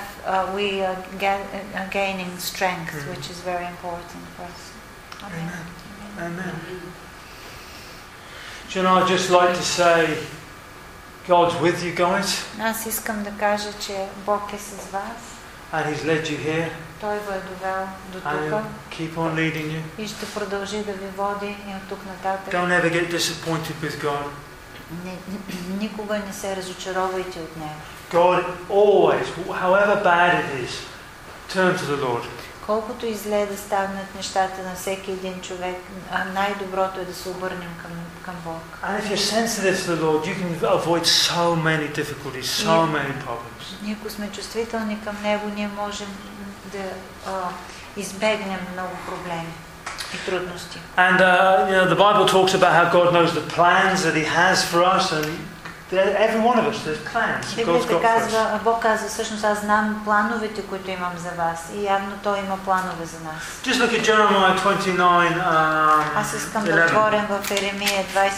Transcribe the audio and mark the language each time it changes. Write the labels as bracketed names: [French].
[English] And we are gaining strength, which is very important for us. Amen. Do you know, I'd just like to say, God's with you guys. [Bulgarian] Аз искам да кажа, че Бог е с вас. [English] And He's led you here. [Bulgarian] Той ви е довел до тук. [English] And He'll keep on leading you. [Bulgarian] И ще продължи да ви води и от тук нататък. [English] Don't ever get disappointed with God. [Bulgarian] Никога не се разочаровайте от Него. [English] God always, however bad it is, turn to the Lord. [Bulgarian] Колкото и зле да станат нещата на всеки един човек, най-доброто е да се обърнем към Бог. [English] And if you're sensitive to the Lord, you can avoid so many difficulties, so many problems. [Bulgarian] Ние, ако сме чувствителни към Него, ние можем да избегнем много проблеми и трудности. [English] And you know, the Bible talks about how God knows the plans that He has for us and every one of us, there's plans God's got [Bulgarian] казва, [English] for us. [Bulgarian] Бог казва, всъщност аз знам плановете, които имам за вас, и явно Той има планове за нас. [English] Just look at Jeremiah 29, [Bulgarian] 11. Аз искам да отворим в Еремия 29, 11.